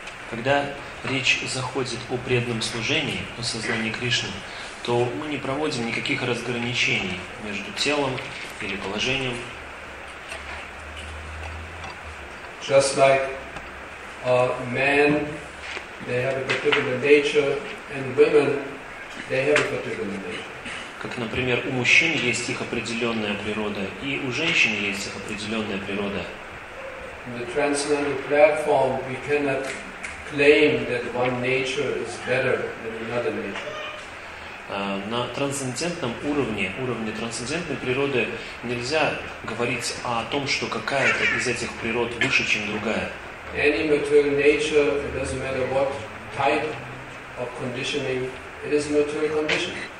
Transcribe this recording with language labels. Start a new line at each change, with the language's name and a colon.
Russian: Когда речь заходит о преданном служении, о сознании Кришны, то мы не проводим никаких разграничений между телом или положением.
English: Just like a man, they have a particular nature, and women, they have a particular nature.
Russian: Как, например, у мужчин есть их определенная природа, и у женщин есть их определенная природа.
English: The transcendental platform, we cannot claim that one nature is better than another nature.
Russian: На трансцендентном уровне, уровне трансцендентной природы, нельзя говорить о том, что какая-то из этих природ выше, чем другая.
English: Any material nature, it doesn't matter what type of conditioning, it is a material condition.